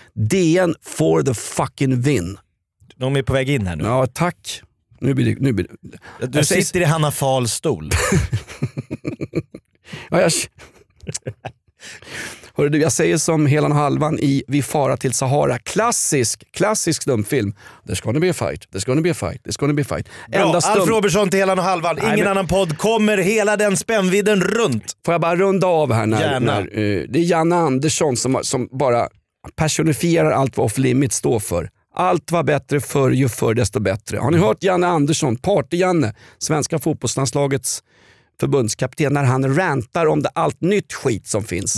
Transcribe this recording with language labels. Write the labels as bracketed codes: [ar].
[en] DN for the fucking win. [sv] De är på väg in här nu. Ja, tack. Nu blir det. Du sitter i Hanna Fahls stol. Hörru du, jag säger som Helan Halvan i Vi fara till Sahara. Klassisk stumfilm. [en] There's gonna be a fight, there's gonna be a fight, there's gonna be a fight. [sv] Bra, Alf Robertson till Helan Halvan. Nej, ingen men... annan podd kommer hela den spännvidden runt. Får jag bara runda av här när det är Janne Andersson som bara personifierar allt vad off-limit står för. Allt var bättre förr, ju förr desto bättre. Har ni hört Janne Andersson, Party-Janne, svenska fotbollslandslagets förbundskapten, när han rantar om det allt nytt skit som finns?